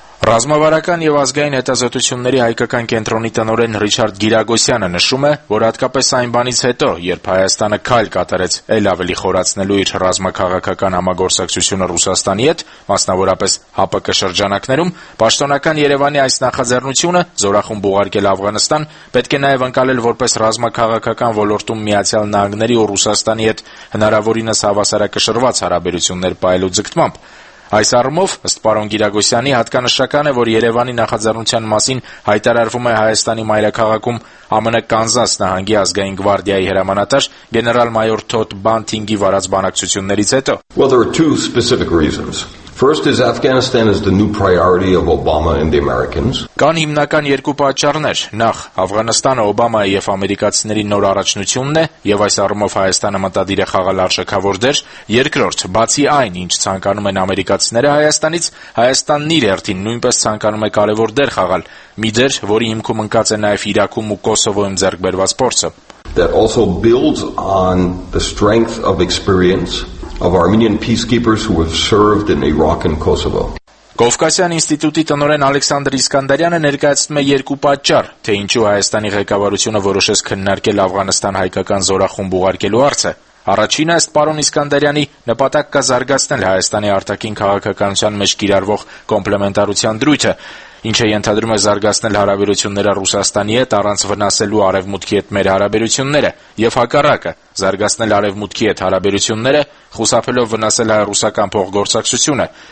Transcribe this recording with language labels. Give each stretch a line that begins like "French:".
Armenian: Ռազմավարական եւ ազգային հետազոտությունների հայկական կենտրոնի տնօրեն Ռիչարդ Գիրագոսյանը նշում է, որ հատկապես այն բանից հետո, երբ Հայաստանը քայլ կատարեց այլ ավելի խորացնելու իր ռազմաքաղաքական համագործակցությունը Ռուսաստանի հետ, մասնավորապես ՀԱՊԿ շրջանակներում, պաշտոնական Երևանի այս նախաձեռնությունը, զորախումբ ուղարկել Աֆղանստան, պետք է նաեւ ընկալել որպես ռազմաքաղաքական ոլորտում Միացյալ Նահանգների ու Ռուսաստանի հետ հնարավորինս հավասարակշռված հարաբերություններ պահելու ձգտմամբ։ Այս առումով, ըստ պարոն Գիրագոսյանի, հատկանշական է, որ Երևանի նախաձեռնության մասին հայտարարվում է Հայաստանի մայրաքաղաքում ԱՄՆ Կանզաս նահանգի ազգային գվարդիայի հրամանատար գեներալ-մայոր Թոթ Բանթինգի վարած բանակցություններից հետո։
English: Well, there are two specific reasons. First is Afghanistan is the new priority of Obama and the Americans.
Armenian: Կան հիմնական երկու պատճառներ. Նախ, Աֆղանստանը Օբամայի եւ ամերիկացիների նոր առաջնությունն է, եւ այս առումով Հայաստանը մտադիր է խաղալ արժեքավոր դեր։ Երկրորդ, բացի այն, ինչ ցանկանում են ամերիկացիները Հայաստանից, Հայաստանն իր հերթին նույնպես ցանկանում է կարևոր դեր խաղալ, մի դեր, որի հիմքում ընկած է նաեւ Իրաքում ու Կոսովոյում ձեռք բերված փորձը։
English: That also builds on the strength of experience of Armenian peacekeepers who have served in Iraq and Kosovo.
Armenian: Կովկասյան ինստիտուտի տնօրեն Ալեքսանդր Իսկանդարյանը ներկայացնում է երկու պատճառ, թե ինչու Հայաստանի ղեկավարությունը որոշեց քննարկել Աֆղանստան հայկական զորախումբ ուղարկելու հարցը։ Առաջին այս պարոն Իսկանդարյանի նպատակ կա զարգացնել Հայաստանի արտաքին քաղաքականության մեջ կիրառվող կոմպլեմենտարության դրույթը, ինչը ենթադրում է զարգացնել հարաբերությունները Ռուսաստանի հետ առանց վնասելու արևմուտքի հետ մեր հարաբերությունները, եւ հակառակը, զարգացնել արևմուտքի հետ հարաբերությունները, խուսափելով վնասել հայ-ռուսական փոխգործակցությունը։